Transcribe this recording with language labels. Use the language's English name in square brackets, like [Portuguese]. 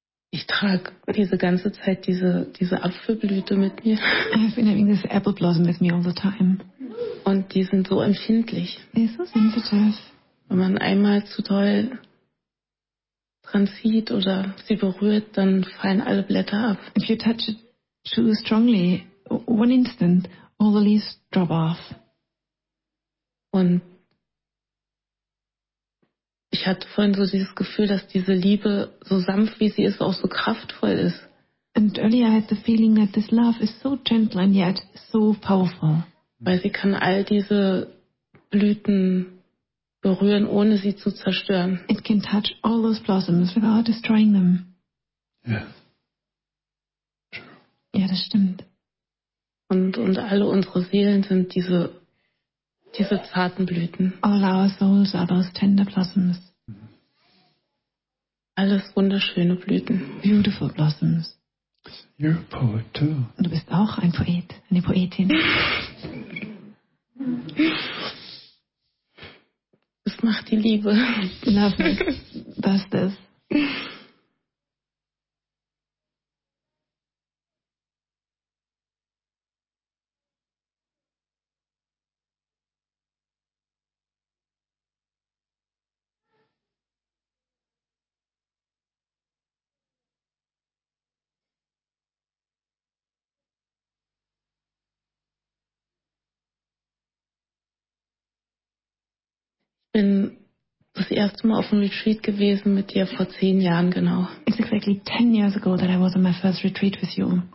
[German] Ich trage diese ganze Zeit diese Apfelblüte mit mir. [English] I've been having this apple blossom with me all the time. [German] Und die sind so empfindlich. [English] They're so sensitive. [German] Wenn man einmal zu doll dran zieht oder sie berührt, dann fallen alle Blätter ab. [English] If you touch it too strongly, one instant, all the leaves drop off. [German] Und ich hatte vorhin so dieses Gefühl, dass diese Liebe so sanft wie sie ist, auch so kraftvoll ist. [English] And earlier I had the feeling that this love is so gentle and yet so powerful. [German] Weil sie kann all diese Blüten berühren, ohne sie zu zerstören. [English] It can touch all those blossoms without destroying them. Yeah. [German] Ja, das stimmt. Und alle unsere Seelen sind diese zarten Blüten. [English] All our souls are those tender blossoms. [German] Alles wunderschöne Blüten. [English] Beautiful blossoms. You're a poet too. [German] Und du bist auch ein Poet, eine Poetin. Das macht die Liebe. [English] Love it. [German] Das ist es. Ich bin das erste Mal auf einem Retreat gewesen mit dir vor 10 Jahren, genau. [English] It's exactly 10 years ago that I was on my first retreat with you.